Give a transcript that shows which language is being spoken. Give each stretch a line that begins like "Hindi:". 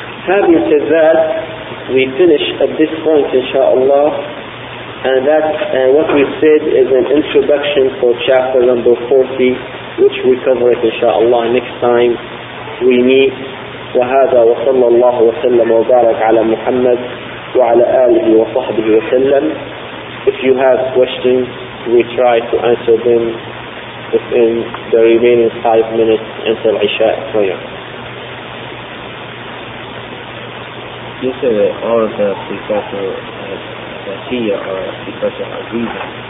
English: Having said that, we finish at this point inshaAllah, and that, what we said is an introduction for chapter number 40, which we cover it inshaAllah next time we meet.
Arabic: وهذا وصلى الله وسلم وبارك على محمد وعلى آله وصحبه وسلم.
English: If you have questions, we try to answer them within the remaining 5 minutes until Isha prayer. You said that all of the precursor Zakiya are precursor Aziza.